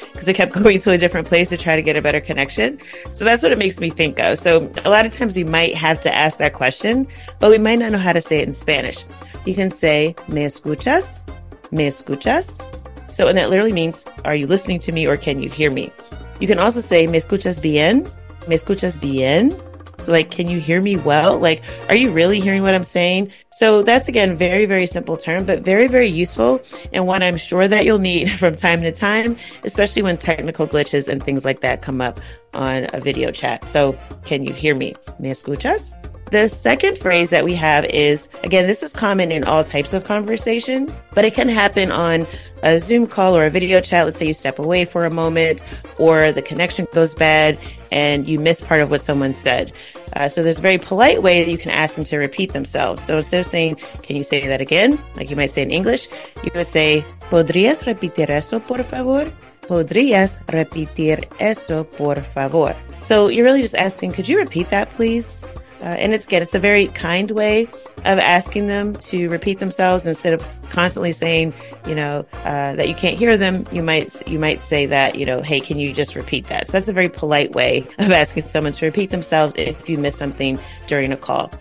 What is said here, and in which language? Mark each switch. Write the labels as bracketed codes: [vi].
[en] Because they kept going to a different place to try to get a better connection. So that's what it makes me think of. So a lot of times we might have to ask that question, but we might not know how to say it in Spanish. You can say, [es] ¿me escuchas? ¿Me escuchas? [en] So, and that literally means, are you listening to me or can you hear me? You can also say, [es] ¿me escuchas bien? ¿Me escuchas bien? [en] So like, can you hear me well? Like, are you really hearing what I'm saying? So that's, again, very, very simple term, but very, very useful, and one I'm sure that you'll need from time to time, especially when technical glitches and things like that come up on a video chat. So can you hear me? [es] ¿Me escuchas? [en] The second phrase that we have is, again, this is common in all types of conversation, but it can happen on a Zoom call or a video chat. Let's say you step away for a moment or the connection goes bad and you miss part of what someone said. So there's a very polite way that you can ask them to repeat themselves. So instead of saying, can you say that again? Like you might say in English, you would say, [es] ¿podrías repetir eso, por favor? ¿Podrías repetir eso, por favor? [en] So you're really just asking, could you repeat that, please? And it's good. It's a very kind way of asking them to repeat themselves instead of constantly saying, you know, that you can't hear them. You might say that, you know, hey, can you just repeat that? So that's a very polite way of asking someone to repeat themselves if you miss something during a call.